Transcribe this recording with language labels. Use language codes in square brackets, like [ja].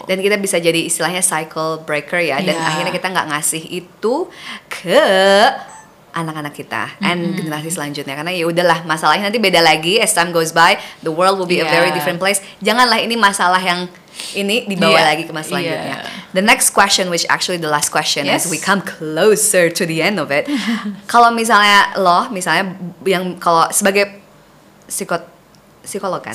[id] Dan kita bisa jadi istilahnya cycle breaker ya. Dan akhirnya kita gak ngasih itu ke anak-anak kita and generasi selanjutnya, karena ya udahlah masalahnya nanti beda lagi [en] as time goes by, the world will be a very different place. [id] Janganlah ini masalah yang ini dibawa lagi ke masalah selanjutnya. [en] The next question, which actually the last question as we come closer to the end of it. [id] Kalau misalnya lo, misalnya yang kalau sebagai psikolog kan?